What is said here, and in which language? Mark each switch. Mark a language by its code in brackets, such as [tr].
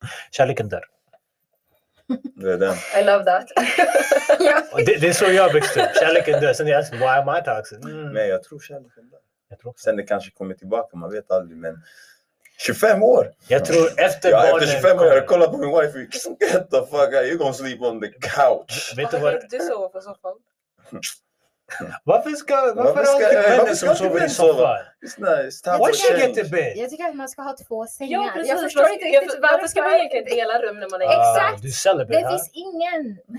[sv] Kärleken där. Det är den. [en] I love that. [sv] det är så jag växte upp. Kärleken där. Sen jag [en] why am I toxic? [sv] Men jag tror kärleken där. Jag tror. Sen det kanske kommer tillbaka, man vet aldrig, men... 25 år. Jag tror efter barnen. Ja, efter 25 år, jag kollar på min wife. [en] Get the fuck out, you gonna sleep on the couch. [sv] Vet du vad? Du sover på soffan. Varför ska jag alltid vänner som sover i soffan? [en] Why should I get to bed? [sv] Jag tycker att man ska ha två sängar. Ja, precis, jag förstår inte riktigt. Varför ska man egentligen dela rum när man är... Exakt. Du celibate, det finns ingen.